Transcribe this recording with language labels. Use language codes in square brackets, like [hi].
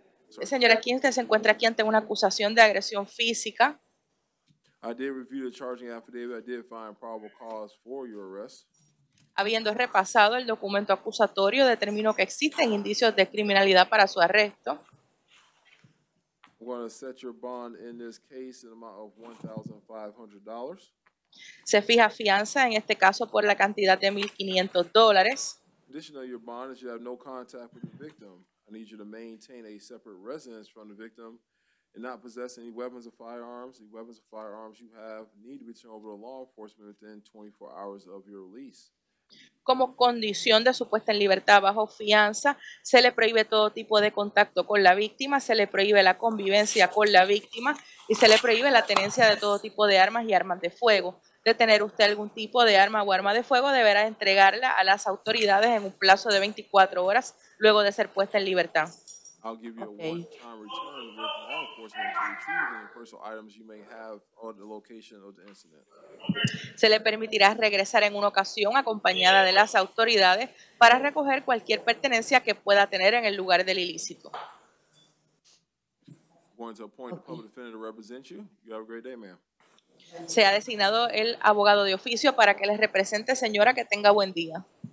[es] Señora, ¿quién se encuentra aquí ante una acusación de agresión física? [en] I did review the charging affidavit. I did find probable cause for your arrest. [es] Habiendo repasado el documento acusatorio, determino que existen indicios de criminalidad para su arresto. [en] I'm going to set your bond in this case in an amount of $1,500. [es] Se fija fianza en este caso por la cantidad de $1,500. [en] Additionally, your bond is you have no contact with the victim. I need you to maintain a separate residence from the victim and not possess any weapons or firearms. The weapons or firearms you have need to be turned over to law enforcement within 24 hours of your release. [es] Como condición de su puesta en libertad bajo fianza, se le prohíbe todo tipo de contacto con la víctima, se le prohíbe la convivencia con la víctima y se le prohíbe la tenencia de todo tipo de armas y armas de fuego. De tener usted algún tipo de arma o arma de fuego, deberá entregarla a las autoridades en un plazo de 24 horas luego de ser puesta en libertad. [en] I'll give you okay. A one-time return with law enforcement to retrieve any personal items you may have on the location of the incident. [es] Se le permitirá regresar en una ocasión acompañada de las autoridades para recoger cualquier pertenencia que pueda tener en el lugar del ilícito. [en] I'm going to appoint okay. A public defender to represent you. You have a great day, ma'am. [es] Se ha designado el abogado de oficio para que les represente, señora, que tenga buen día.